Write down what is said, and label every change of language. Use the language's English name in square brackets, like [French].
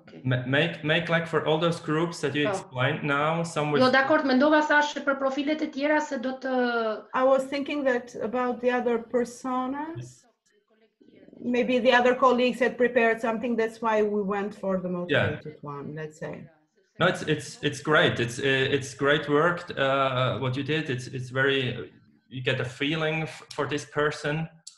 [English] Make like for all those groups that you explained now, some with... [Albanian] Jo, dakord, mendova thashë për profilet e tjera se do të... [English] I was thinking that about the other personas. Maybe the other colleagues had prepared something, that's why we went for the motivated one, let's say. No, it's great. It's great work, what you did. It's very... You get a feeling for this person.